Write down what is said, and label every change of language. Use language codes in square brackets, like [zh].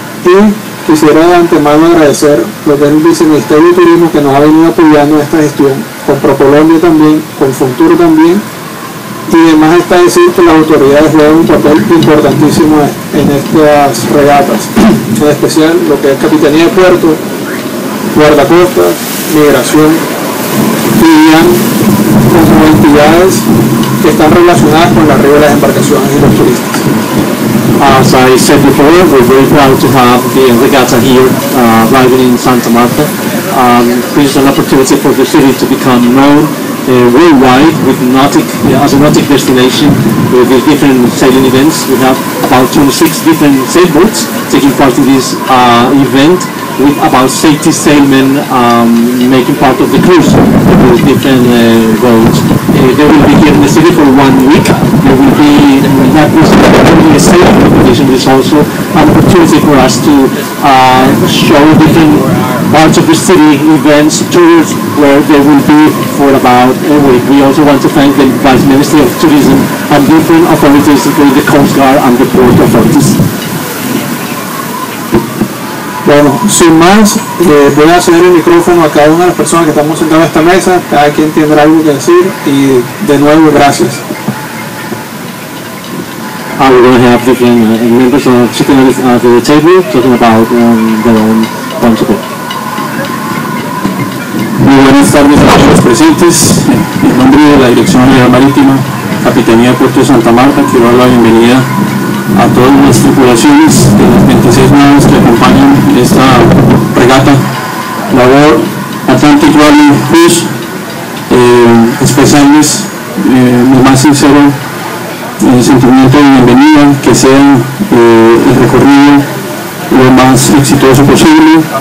[es] Y quisiera de antemano agradecer lo que es el Viceministerio de Turismo, que nos ha venido apoyando en esta gestión, con ProColombia también, con Funtur también, y además está decir que las autoridades juegan un papel importantísimo en estas regatas, en especial lo que es Capitanía de Puerto, Guardacostas, Migración, y han como entidades que están relacionadas con la arribo de las embarcaciones y los turistas. [en] As I said before, we're very proud to have the regatta here arriving in Santa Marta. This is an opportunity for the city to become known worldwide with as a nautic destination with these different sailing events. We have about 26 different sailboats taking part in this event, with about 60 sailmen making part of the cruise with these different boats. They will be here in the city for 1 week. There will be not only a sailing competition, but also an opportunity for us to show different parts of the city, events, tours, where they will be for about a week. We also want to thank the Vice Ministry of Tourism and different authorities, including the Coast Guard and the Port Authorities. [es] Bueno, sin más, voy a ceder el micrófono a cada una de las personas que estamos sentadas en esta mesa, cada quien tendrá algo que decir, y de nuevo, gracias. [en] We're going to have different members sitting at the table, talking about their own concept. [es] Muy buenas tardes a todos los presentes. En nombre de la Dirección General Marítima, Capitanía de Puerto de Santa Marta, quiero dar la bienvenida a todas las tripulaciones de las 26 naves que acompañan esta regata, la World Atlantic Rally Cruise, expresarles mi más sincero sentimiento de bienvenida, que sea el recorrido lo más exitoso posible.